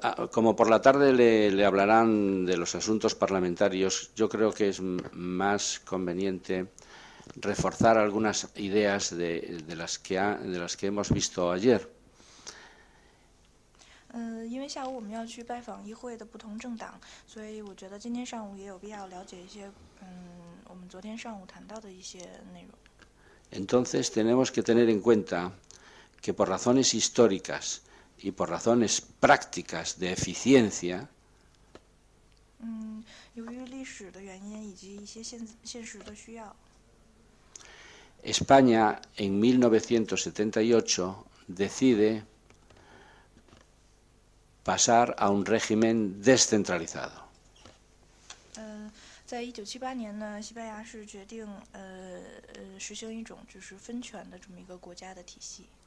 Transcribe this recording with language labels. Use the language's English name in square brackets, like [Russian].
[Spanish] Como por la tarde le hablarán de los asuntos parlamentarios, yo creo que es más conveniente reforzar algunas ideas de las que hemos visto ayer. [Chinese] 因为下午我们要去拜访议会的不同政党，所以我觉得今天上午也有必要了解一些我们昨天上午谈到的一些内容。 [Spanish] Entonces tenemos que tener en cuenta que por razones históricas y por razones prácticas de eficiencia, [Chinese] 由于历史的原因以及一些现实的需要， [Spanish] España en 1978 decide pasar a un régimen descentralizado. [Chinese] 在1978年呢，西班牙是决定实行一种就是分权的这么一个国家的体系。